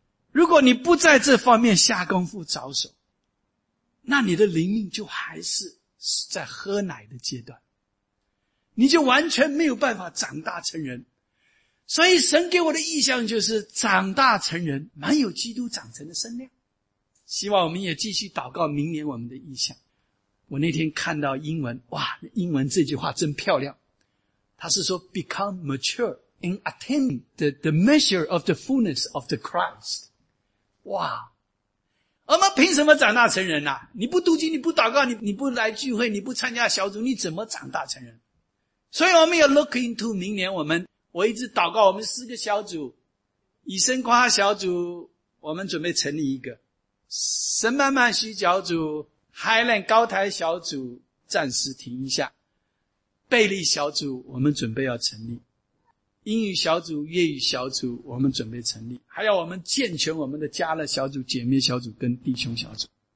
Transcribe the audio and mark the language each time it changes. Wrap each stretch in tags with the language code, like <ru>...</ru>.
<zh>如果你不在这方面下功夫着手，那你的灵命就还是在喝奶的阶段，你就完全没有办法长大成人。所以神给我的意象就是长大成人，满有基督长成的身量。希望我们也继续祷告明年我们的意象。我那天看到英文，哇，英文这句话真漂亮。他是说</zh> <en>become mature in attaining the measure of the fullness of the Christ。</en> <zh>哇，我们凭什么长大成人啊？你不读经，你不祷告， 你不来聚会，你不参加小组，你怎么长大成人？所以我们要</zh> <en>look into</en> <zh>明年我一直祷告我们四个小组，以身夸小组我们准备成立一个，神慢慢需小组、Highland 高台小组暂时停一下，贝利小组我们准备要成立，英语小组、粤语小组我们准备成立，还要我们健全我们的家乐小组、姐妹小组跟弟兄小组。</zh>